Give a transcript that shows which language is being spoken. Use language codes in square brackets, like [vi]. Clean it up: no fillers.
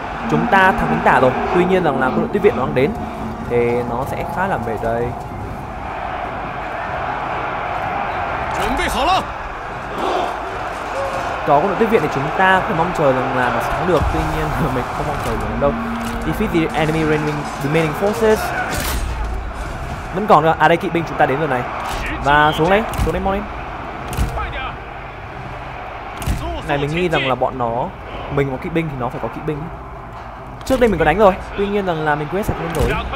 [vi] Chúng ta thắng đánh tả rồi. Tuy nhiên rằng là quân đội tiếp viện nó đang đến thì nó sẽ khá là mệt đây. Có quân đội tiếp viện thì chúng ta cũng mong chờ rằng là nó thắng được. Tuy nhiên là mình không mong chờ được đâu. [en] Defeat the enemy remaining forces. [vi] Vẫn còn được. À đây, kỵ binh chúng ta đến rồi này. Và xuống đây mau lên. Này mình nghĩ rằng là bọn nó, mình có kỵ binh thì nó phải có kỵ binh. Trước đây mình có đánh rồi, tuy nhiên rằng là mình quyết sạch luôn rồi.